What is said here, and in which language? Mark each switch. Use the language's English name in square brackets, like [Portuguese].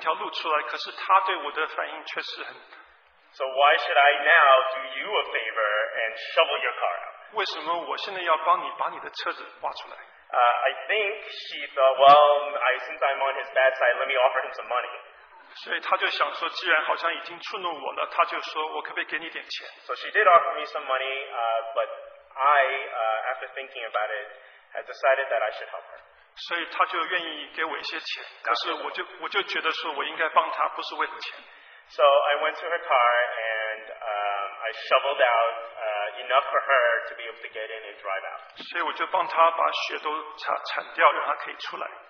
[Chinese] 我都好意帮他再铲一条路出来，可是他对我的反应确实很。 [English] So why should I now do you a favor and shovel your car out? [Chinese] 为什么我现在要帮你把你的车子挖出来? [English] I think she thought, well, since I'm on his bad side, let me offer him some money. [Chinese] 所以他就想说，既然好像已经触怒我了，他就说我可不可以给你点钱? [English] So she did offer me some money, but I, after thinking about it, had decided that I should help her. [Chinese] 所以他就愿意给我一些钱，可是我就觉得说我应该帮他，不是为了钱。 [English] So I went to her car and I shoveled out enough for her to be able to get in and drive out. [Chinese] 所以我就帮她把血都铲掉，让她可以出来。